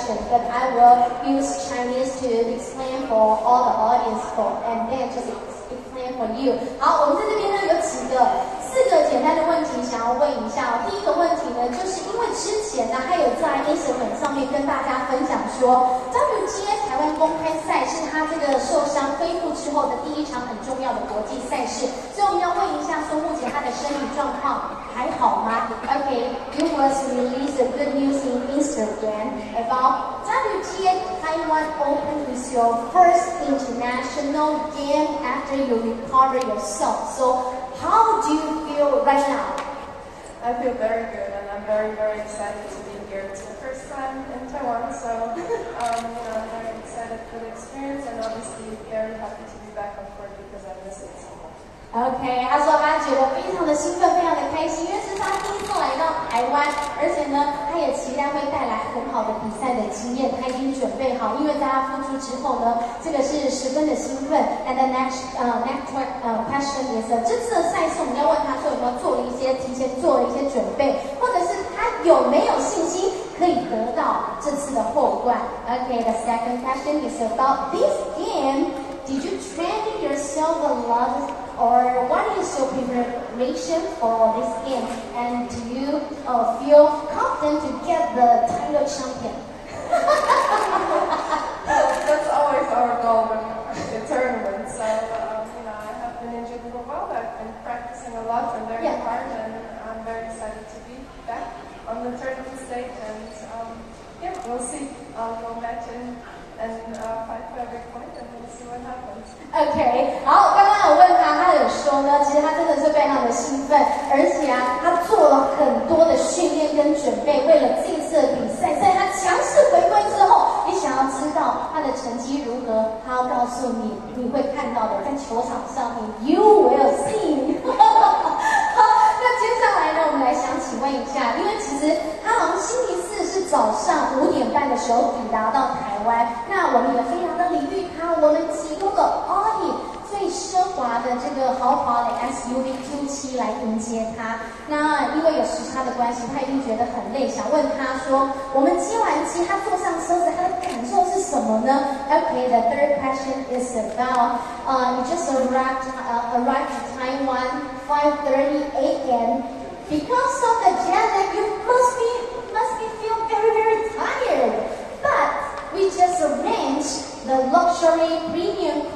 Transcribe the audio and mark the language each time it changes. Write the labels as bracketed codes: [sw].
[en] But I will use Chinese to explain for all the audience for, and then just explain for you. [zh] 好，我们在这边呢有四个简单的问题想要问一下。第一个问题呢，就是因为之前呢还有在 Instagram 上面跟大家分享说 ，WTA 台湾公开赛是他这个受伤恢复之后的第一场很重要的国际赛事，所以我们要问一下，说目前他的身体状况。 [en] Okay, you was released a good news in Instagram about WTA Taiwan Open is your first international game after you recover yourself. So, how do you feel right now? I feel very good and I'm very, very excited to be here. It's the first time in Taiwan, so you know, I'm very excited for the experience and obviously very happy to be back on court because I miss it so much. [zh] OK， 他说他觉得非常的兴奋，非常的开心，因为是他第一次来到台湾，而且呢，他也期待会带来很好的比赛的经验。他已经准备好，因为在他复出之后呢，这个是十分的兴奋。 [en] And the next question is， [zh] 这次的赛事我们要问他说有没有提前做了一些准备，或者是他有没有信心可以得到这次的后冠 ？ [en] OK， the second question is about this game. Did you train yourself a lot? Or what is your preparation for this game? And do you feel confident to get the title champion? That's always our goal when the tournament. So, you know, I have been injured for a while, but I've been practicing a lot and very hard, and I'm very excited to be back on the tournament stage. And yeah, we'll see. We'll match and fight for every point, and we'll see what happens. [zh] Okay, 好，刚刚有问他。其实他真的是非常的兴奋，而且啊，他做了很多的训练跟准备，为了这次的比赛。在他强势回归之后，你想要知道他的成绩如何？他要告诉你，你会看到的，在球场上面 ， [en] You will see 。 [zh] 好，那接下来呢，我们来想请问一下，因为其实他好像星期四是早上5:30的时候抵达到台湾，那我们也非常的礼遇他，我们提供了 Audi。最奢华的这个豪华的 SUV Q7 来迎接他。那因为有时差的关系，他一定觉得很累，想问他说，我们接完机，他坐上车子，他的感受是什么呢？ [en] Okay, the third question is about, you just arrived in Taiwan 5:30 a.m. Because of the jet lag, you must be feel very, very tired. But we just arranged the luxury premium car